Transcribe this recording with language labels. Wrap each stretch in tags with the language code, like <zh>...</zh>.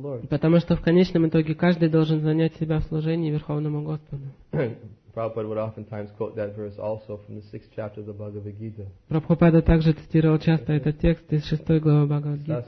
<ru>Потому что в конечном итоге каждый должен занять себя в служении Верховному Господу.</ru> <en>Prabhupada would oftentimes quote that verse also from the 6th chapter of the Bhagavad Gita.</en> <ru>Прабхупада также цитировал часто этот текст из 6 главы Бхагавад Гиты.</ru>